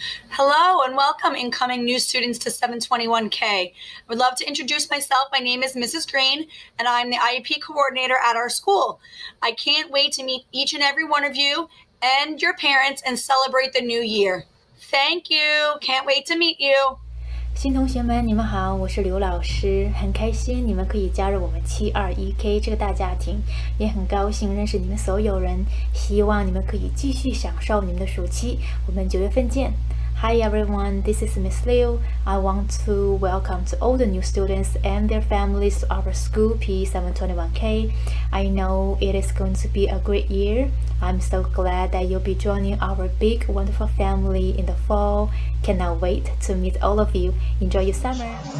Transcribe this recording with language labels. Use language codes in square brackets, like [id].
[en] Hello and welcome incoming new students to 721K. I would love to introduce myself. My name is Mrs. Green and I'm the IEP coordinator at our school. I can't wait to meet each and every one of you and your parents and celebrate the new year. Thank you. Can't wait to meet you. [zh] 新同学们，你们好，我是刘老师， 很开心你们可以加入我们721K 这个大家庭， 也很高兴认识你们所有人， 希望你们可以继续享受你们的暑期， 我们9月份见。 [en] Hi everyone, this is Miss Liu. I want to welcome to all the new students and their families to our school P721K. I know it is going to be a great year. I'm so glad that you'll be joining our big, wonderful family in the fall. Cannot wait to meet all of you. Enjoy your summer.